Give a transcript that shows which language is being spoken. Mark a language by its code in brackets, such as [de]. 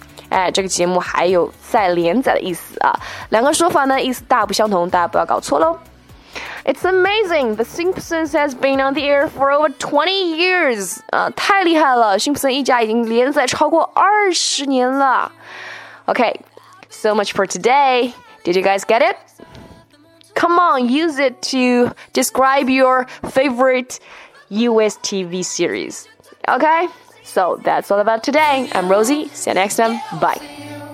[zh] 哎，这个节目还有在连载的意思啊。两个说法呢意思大不相同，大家不要搞错咯。 [en] It's amazing, The Simpsons has been on the air for over 20 years. [zh] 太厉害了，辛普森一家已经连载超过20年了。 [en] Okay, so much for today. Did you guys get it? Come on, use it to describe your favorite US TV series. Okay, so that's all about today. I'm Rosie, see you next time, bye.